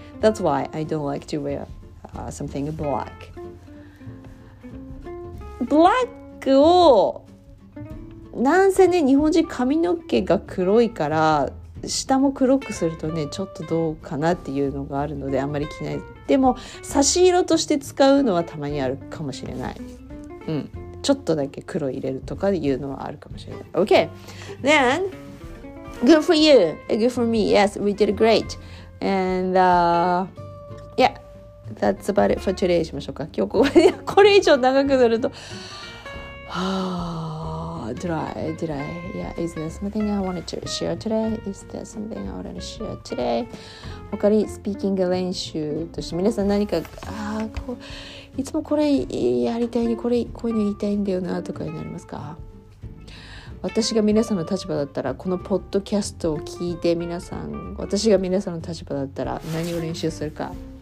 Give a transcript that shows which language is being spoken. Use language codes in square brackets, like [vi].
[en] That's why I don't like to wear something black. [ja] Black を、なんせね、日本人髪の毛が黒いから、下も黒くするとね、ちょっとどうかなっていうのがあるので、あんまり着ない。でも、差し色として使うのはたまにあるかもしれない。うん。ちょっとだけ黒入れるとかで言うのはあるかもしれない。 [en] Okay, then good for you, good for me. Yes, we did great. And yeah, that's about it for today. [ja] しましょうか。今日ここでこれ以上長くなると、 [en] dry. Yeah, is there something I wanted to share today? Is there something I wanted to share today? [ja] 他にスピーキング練習として皆さん何かこう。いつもこれやりたいに、これこういうの言いたいんだよなとかになりますか。私が皆さんの立場だったら、このポッドキャストを聞いて皆さん、私が皆さんの立場だったら何を練習するか。